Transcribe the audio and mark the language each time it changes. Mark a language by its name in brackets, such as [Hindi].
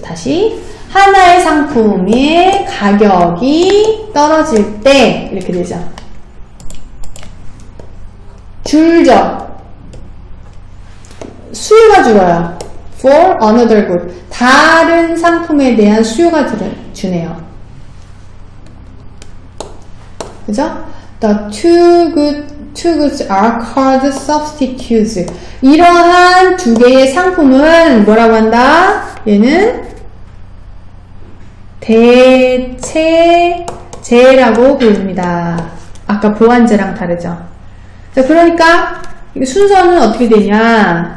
[Korean] 다시 하나의 상품의 가격이 떨어질 때 이렇게 되죠. 줄죠. 수요가 줄어요. [English] For another good. [Korean] 다른 상품에 대한 수요가 주네요. 그죠? [English] The two goods are called substitutes. [Korean] 이러한 두 개의 상품은 뭐라고 한다? 얘는 대체 제라고 부릅니다. 아까 보안제랑 다르죠. 자, 그러니까 순서는 어떻게 되냐?